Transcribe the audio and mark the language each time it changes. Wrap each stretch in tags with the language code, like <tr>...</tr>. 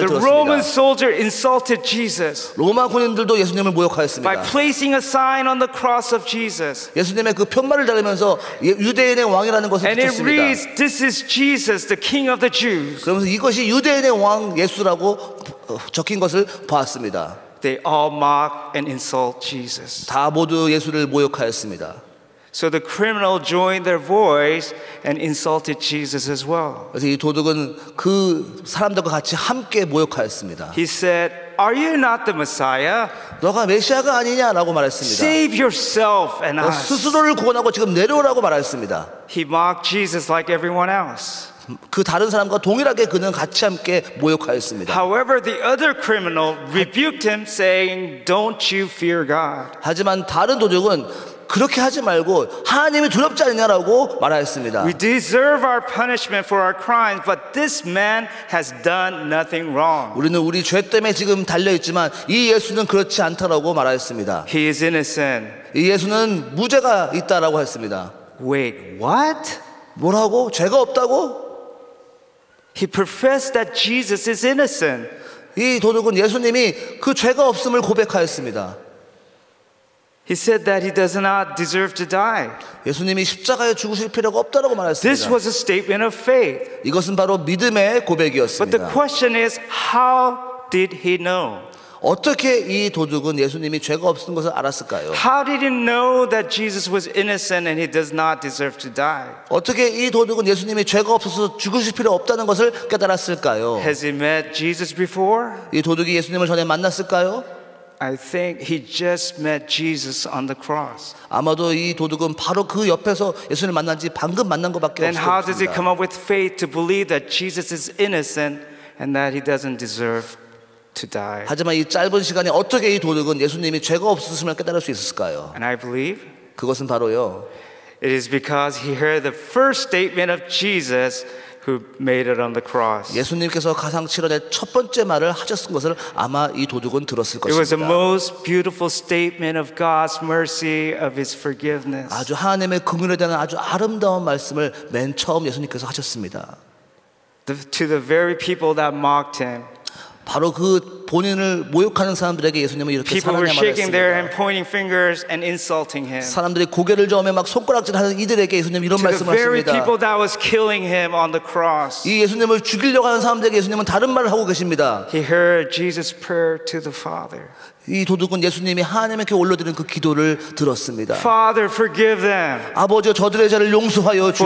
<ko>the 들었습니다.</ko> <en>The Roman soldier insulted Jesus.</en> <ko>로마 군인들도 예수님을 모욕하였습니다.</ko> <en>By placing a sign on the cross of Jesus.</en> <ko>예수님의 그 푯말을 달리면서 유대인의 왕이라는 것을 and 붙였습니다.</ko> <en>And it reads, "This is Jesus, the King of the Jews."</en> <ko>그러면서 이것이 유대인의 왕 예수라고 적힌 것을 보았습니다.</ko> <en>They all mock and insult Jesus.</en> <ko>다 모두 예수를 모욕하였습니다.</ko> <en>So the criminal joined their voice and insulted Jesus as well.</en> <ko>그래서 이 도둑은 그 사람들과 같이 함께 모욕하였습니다.</ko> <en>He said, "Are you not the Messiah?"</en> <ko>너가 메시아가 아니냐라고 말했습니다.</ko> <en>"Save yourself and us."</en> <ko>스스로를 구원하고 지금 내려오라고 말했습니다.</ko> <en>He mocked Jesus like everyone else.</en> <ko>그 다른 사람과 동일하게 그는 같이 함께 모욕하였습니다.</ko> <en>However, the other criminal rebuked him, saying, "Don't you fear God?"</en> <ko>하지만 다른 도둑은 그렇게 하지 말고 하나님이 두렵지 않냐라고 말하였습니다.</ko> <en>We deserve our punishment for our crimes, but this man has done nothing wrong.</en> <ko>우리는 우리 죄 때문에 지금 달려 있지만 이 예수는 그렇지 않다라고 말하였습니다.</ko> <en>He is innocent.</en> <ko>이 예수는 무죄가 있다라고 했습니다.</ko> <en>Wait, what?</en> <ko>뭐라고? 죄가 없다고?</ko> <en>He professed that Jesus is innocent.</en> <ko>이 도둑은 예수님이 그 죄가 없음을 고백하였습니다.</ko> <en>He said that he does not deserve to die.</en> <ko>예수님이 십자가에 죽으실 필요가 없다라고 말했습니다.</ko> <en>This was a statement of faith.</en> <ko>이것은 바로 믿음의 고백이었습니다.</ko> <en>But the question is, how did he know?</en> <ko>어떻게 이 도둑은 예수님이 죄가 없는 것을 알았을까요?</ko> <en>How did he know that Jesus was innocent and he does not deserve to die?</en> <ko>어떻게 이 도둑은 예수님이 죄가 없어서 죽으실 필요 없다는 것을 깨달았을까요?</ko> <en>Has he met Jesus before?</en> <ko>이 도둑이 예수님을 전에 만났을까요?</ko> <en>I think he just met Jesus on the cross.</en> <ko>아마도 이 도둑은 바로 그 옆에서 예수님 만난 지 방금 만난 것밖에 없습니다.</ko> <en>Then how does he come up with faith to believe that Jesus is innocent and that he doesn't deserve to die?</en> <ko>하지만 이 짧은 시간에 어떻게 이 도둑은 예수님이 죄가 없으심을 깨달을 수 있었을까요?</ko> <en>And I believe</en> <ko>그것은 바로요.</ko> <en>It is because he heard the first statement of Jesus who made it on the cross.</en> <ko>예수님께서 가상 7월의 첫 번째 말을 하셨은 것을 아마 이 도둑은 들었을 것입니다.</ko> <en>It was the most beautiful statement of God's mercy of his forgiveness.</en> <ko>아주 하나님의 긍휼에 대한 아주 아름다운 말씀을 맨 처음 예수님께서 하셨습니다.</ko> <en>To the very people that mocked him.</en> <ko>바로 그 본인을 모욕하는 사람들에게 예수님은 이렇게</ko> <en>People</en> <ko>사랑의 말을 했습니다.</ko> <en>People were shaking their and pointing fingers and insulting him.</en> <ko>사람들이 고개를 저으며 막 손가락질하는 이들에게 예수님은 이런 말씀을 하십니다.</ko> <en>To the very people that was killing him on the cross.</en> <ko>이 예수님을 죽이려고 하는 사람들에게 예수님은 다른 말을 하고 계십니다.</ko> <en>He heard Jesus' prayer to the Father.</en> <ko>이 도둑은 예수님이 하나님께 올려드리는 그 기도를 들었습니다.</ko> <en>Father, forgive them.</en> <ko>아버지, 저들의 죄를 용서하여 주시옵소서.</ko>